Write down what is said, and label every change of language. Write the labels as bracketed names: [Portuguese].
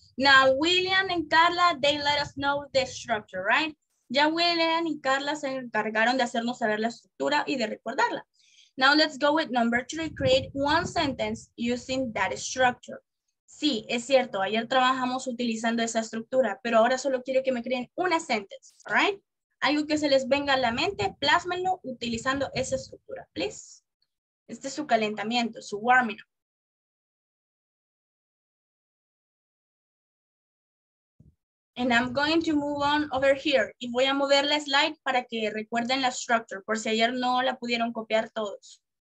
[English] Now, William and Carla, they let us know the structure, right? [Spanish] Ya William y Carla se encargaron de hacernos saber la estructura y de recordarla. [English] Now, let's go with number three. Create one sentence using that structure. [Spanish] Sí, es cierto. Ayer trabajamos utilizando esa estructura, pero ahora solo quiero que me creen una [English] sentence, right? [Spanish] Algo que se les venga a la mente, plásmenlo utilizando esa estructura, [English] please. [Spanish] Este es su calentamiento, su warming up. [English] And I'm going to move on over here. [Spanish] Y voy a mover la slide para que recuerden la structure, por si ayer no la pudieron copiar todos.